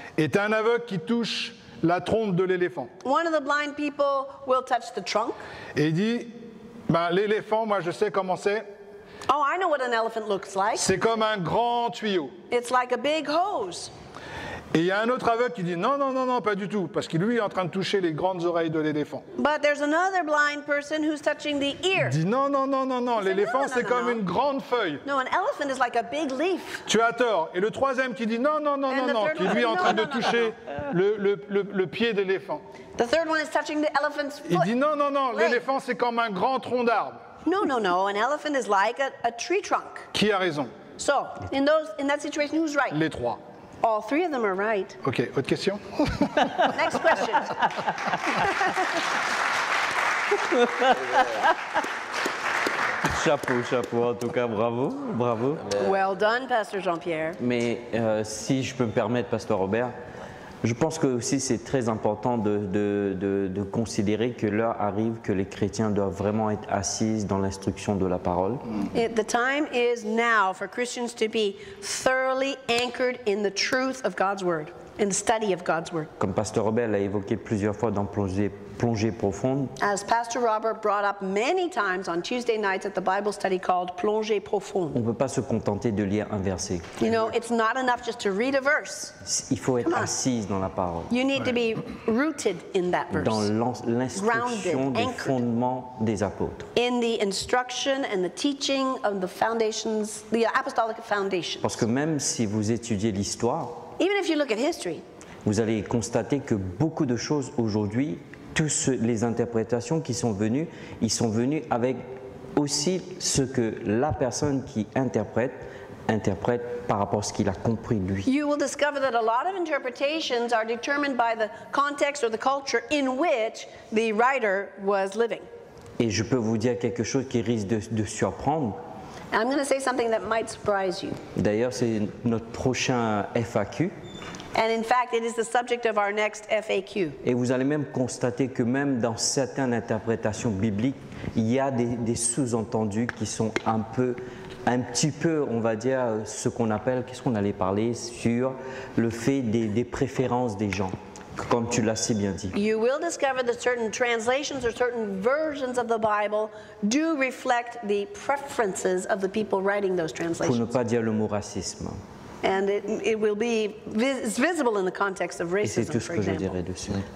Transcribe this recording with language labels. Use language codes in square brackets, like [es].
[fr] Et t'as un aveugle qui touche la trompe de l'éléphant. [en] One of the blind people will touch the trunk. [fr] Et il dit, ben, l'éléphant, moi je sais comment c'est. [en] Oh, I know what an elephant looks like. [fr] C'est comme un grand tuyau. [en] It's like a big hose. [fr] Et il y a un autre aveugle qui dit non, pas du tout, parce qu'il lui est en train de toucher les grandes oreilles de l'éléphant. [en] But there's another blind person who's touching the ear. [fr] Il dit non, l'éléphant c'est comme une grande feuille. [en] No, an elephant is like a big leaf. [fr] Tu as tort. Et le troisième qui dit non, qui lui est en train de toucher le pied d'éléphant. [en] The third one is touching the elephant's foot. [fr] Il dit non, l'éléphant c'est comme un grand tronc d'arbre. [en] No, an elephant is like a tree trunk. [fr] Qui a raison? [en] So, in that situation, who's right? [fr] Les trois. [en] All three of them are right. [fr] OK, autre question? [en] Next question. [fr] Chapeau, en tout cas, bravo. [en] Well done, Pastor Jean-Pierre. [fr] Mais si je peux me permettre, Pasteur Robert, je pense que aussi c'est très important de considérer que l'heure arrive que les chrétiens doivent vraiment être assis dans l'instruction de la parole. [en] The time is now for Christians to be thoroughly anchored in the truth of God's word, in the study of God's word. [fr] Comme Pasteur Robert l'a évoqué plusieurs fois dans plongée profonde. [en] As Pastor Robert brought up many times on Tuesday nights at the Bible study called plongée profonde. [fr] On ne peut pas se contenter de lire un verset. [en] You know, it's not enough just to read a verse. [fr] Il faut être assis dans la parole. [en] You need to be rooted in that verse. [fr] Dans l'instruction des fondements des apôtres. [en] In the instruction and the teaching of the foundations, the apostolic foundations. [fr] Parce que même si vous étudiez l'histoire, [en] even if you look at history, [fr] vous allez constater que beaucoup de choses aujourd'hui, toutes les interprétations qui sont venues, ils sont venus avec aussi ce que la personne qui interprète par rapport à ce qu'il a compris lui. [en] You will discover that a lot of interpretations are determined by the context or the culture in which the writer was living. [fr] Et je peux vous dire quelque chose qui risque de surprendre. [en] I'm going to say something that might surprise you. [fr] D'ailleurs, c'est notre prochain FAQ. [en] And in fact, it is the subject of our next FAQ. [fr] Et vous allez même constater que même dans certaines interprétations bibliques, il y a des sous-entendus qui sont un petit peu, on va dire, ce qu'on appelle, qu'est-ce qu'on allait parler sur le fait des préférences des gens. Comme tu l'as si bien dit. [en] You will discover that certain translations or certain versions of the Bible do reflect the preferences of the people writing those translations. [fr] Pour ne pas dire le mot racisme. [en] And it will be visible in the context of racism, for example. [fr] Et c'est tout ce que je dirai dessus.